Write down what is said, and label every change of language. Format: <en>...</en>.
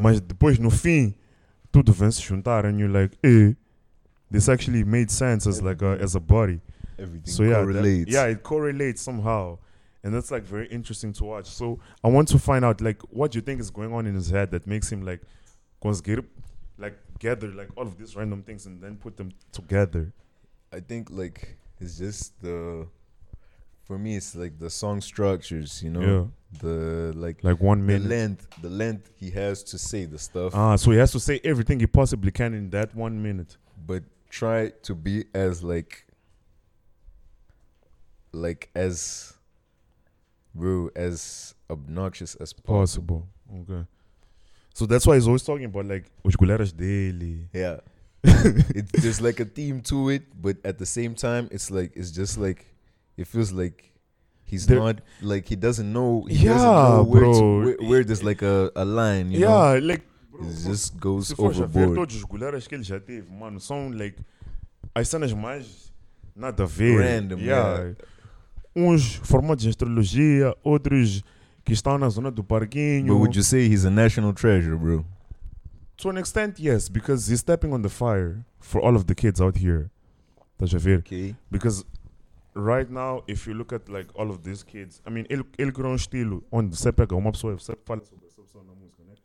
<pt>Mas depois, no fim, tudo vem se juntar.</pt> <en>And you're like, eh. This actually made sense as like as a body. Everything so correlates. Yeah, it correlates somehow. And that's like very interesting to watch. So I want to find out like what you think is going on in his head that makes him like</en> <pt>conseguir,</pt> <en>like gather like all of these random things and then put them together. I think like... It's just the, for me, it's like the song structures, you know, the like 1 minute, the length he has to say the stuff. Ah, so he has to say everything he possibly can in that 1 minute. But try to be as like as, bro, as obnoxious as possible. Okay. So that's why he's always talking about like,</en> <pt>os colegas dele.</pt> <en>Yeah. It, there's like a theme to it, but at the same time, it's like, it's just like, it feels like he's there, not, like, he doesn't know, he doesn't know where there's like a line, you know? Yeah, like, bro, it just goes overboard.</en> <pt>Todos os goleiros que ele já teve, mano, são, like, as cenas mais nada a ver.</pt> <en>Random, yeah.</en> <pt>Uns formados em astrologia, outros que estão na zona do parquinho.</pt> <en>But would you say he's a national treasure, bro? To an extent, yes, because he's stepping on the fire for all of the kids out here.</en> <pt>Tá já ver?</pt> <en>Okay. Because right now, if you look at like all of these kids, I mean,</en> <pt>ele criou um estilo onde você pega uma pessoa e você fala sobre essa pessoa na música, né?</pt>